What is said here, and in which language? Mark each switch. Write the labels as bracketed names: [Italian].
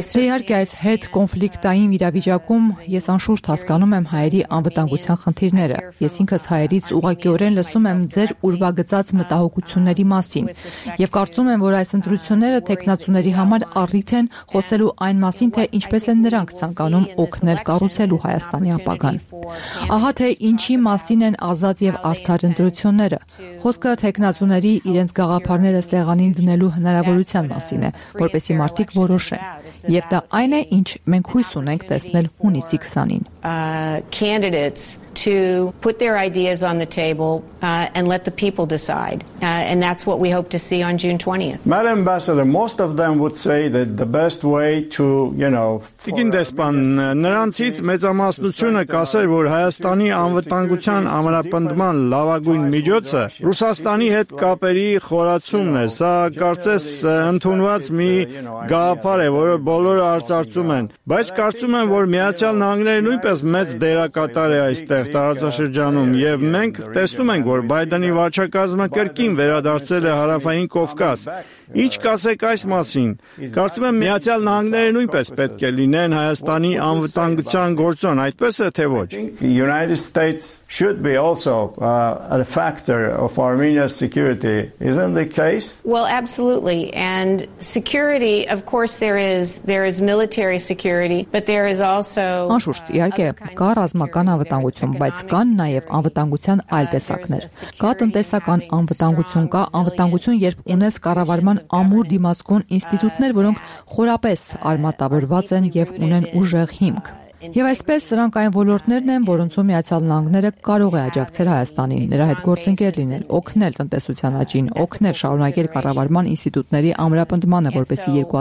[Armenian] think այս հետ կոնֆլիկտային իրավիճակում ես անշուշտ հասկանում եմ հայերի անվտանգության խնդիրները։ Ես ինքս հայերից ուղղակիորեն լսում եմ ձեր ուրվագծած մտահոգությունների մասին, եւ կարծում եմ, որ այս ընտրությունները տեխնացուների համար առիթ են խոսելու այն մասին, թե ինչպես են նրանք ցանկանում օգնել կառուցելու Հայաստանի ապագան։ Ահա թե ինչի մասին են ազատ եւ արդար ընտրությունները։ Խոսքը տեխնացուների իրենց գաղափարները սեղանին դնելու հնարավորության մասին է, որպեսի մարդիկ որոշեն։ Եվ դա այն է, ինչ մենք հույս ունենք տեսնել հունիսի 20-ին։ [English] Candidates to put their ideas on the table and let the people decide. And that's what we hope to see on June 20th. Madam Ambassador, most of them would say that the best way to, you know, [Armenian] Տիգին դեսպան, նրանցից մեծամասնությունը կասեր, որ Հայաստանի անվտանգության ամրապնդման լավագույն միջոցը Ռուսաստանի հետ կապերի խորացումն է։ Սա կարծես ընդունված մի գաղափար է, որը բոլորը արծարծում են, բայց կարծում եմ, որ Միացյալ Նահանգները նույնպես մեծ դերակատար է այստեղ տարածաշրջանում, և մենք տեսնում ենք, որ Բայդենի վարչակազմը կրկին վերադարձել է Հարավային Կովկաս։ Ինչ կասեք այս մասին։ Կարծում եմ, Միացյալ Նահանգները նույնպես պետք է լինեն Հայաստանի անվտանգության գործոն, այդպես է թե ոչ։ [English] United States should be also a factor of Armenia's security, isn't the case? Well, absolutely. And security, of course, there is military security, but there is also [Armenian] Անշուշտ, իհարկե, կա ռազմական անվտանգություն, բայց կան նաև անվտանգության այլ տեսակներ։ Կա տնտեսական անվտանգություն, կա անվտանգություն, երբ ունես կառավարման ամուր դիմասկուն ինստիտուտներ, որոնք խորապես արմատավորված են և ունեն ուժեղ հիմք։ Եվ այսպես սրանք այն ոլորտներն են, որոնցում Միացյալ Նահանգները կարող է աջակցել Հայաստանին, նրա հետ գործընկեր լինել, օգնել տնտեսության աճին, օգնել շարունակել կառավարման ինստիտուտների ամրապնդմանը, որպեսզի